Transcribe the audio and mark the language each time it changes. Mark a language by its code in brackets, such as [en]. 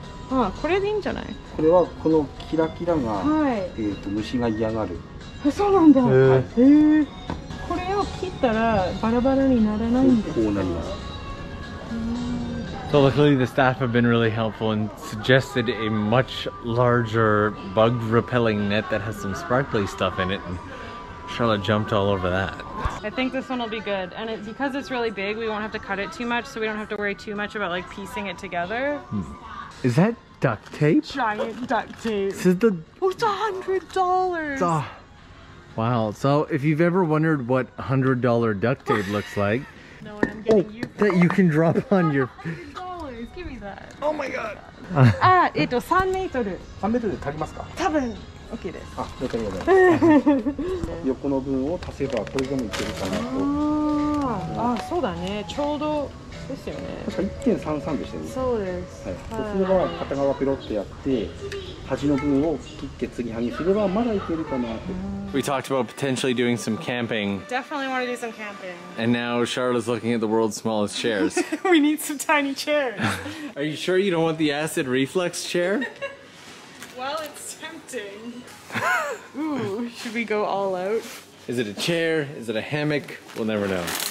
[ja] あ、これでいいんじゃない？これはこのキラキラが、はい、虫が嫌がる。そうなんだ。これを切ったらバラバラにならないんですか？こうなります。 [en] So luckily the staff have been really helpful and suggested a much larger bug repelling net that has some sparkly stuff in it, and Charlotte jumped all over that. I think this one will be good, and it, because it's really big, we won't have to cut it too much, so we don't have to worry too much about like piecing it together. Is that duct tape? Giant duct tape. This is the... Oh, it's $100! Wow, so if you've ever wondered what $100 duct tape looks like, know what I'm getting you for. That you can drop on your... $100! Give me that! Oh my god! Ah, 3 meters! 3 meters [ja] で足りますか? 多分!OK です! あ、了解でございます。横の分を足せばこれでもいけるかなと。あ、そうだね。ちょうどですよね。確か 1.33 でしたね。そうです。そうすれば片側ペロッとやって、端の分を切って継ぎはぎすればまだいけるかなと。 [en] We talked about potentially doing some camping. Definitely want to do some camping. And now Charlotte is looking at the world's smallest chairs. We need some tiny chairs. Are you sure you don't want the acid reflux chair? Well, it's tempting. Ooh, should we go all out? Is it a chair? Is it a hammock? We'll never know.